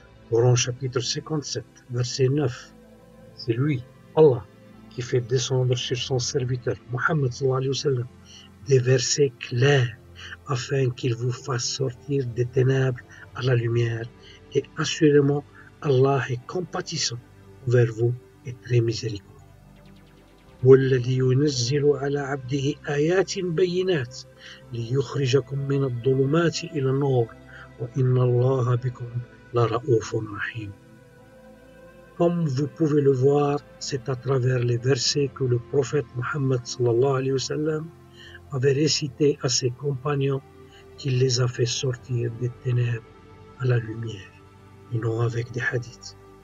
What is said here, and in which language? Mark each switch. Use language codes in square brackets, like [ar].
[fr] Coran chapitre 57, verset 9. C'est lui, Allah, qui fait descendre sur son serviteur, Muhammad sallallahu alayhi wa sallam, des versets clairs, afin qu'il vous fasse sortir des ténèbres à la lumière. Et assurément, Allah est compatissant envers vous et très miséricordieux. [ar] والذي ينزل على عبده آيات بينات ليخرجكم من الظلمات إلى النور وإن الله بكم لرؤوف رحيم. [fr] Comme vous pouvez le voir, c'est à travers les versets que le prophète Mohammed sallallahu alayhi wa sallam avait récité à ses compagnons qu'il les a fait sortir des ténèbres à la lumière, et non avec des hadiths.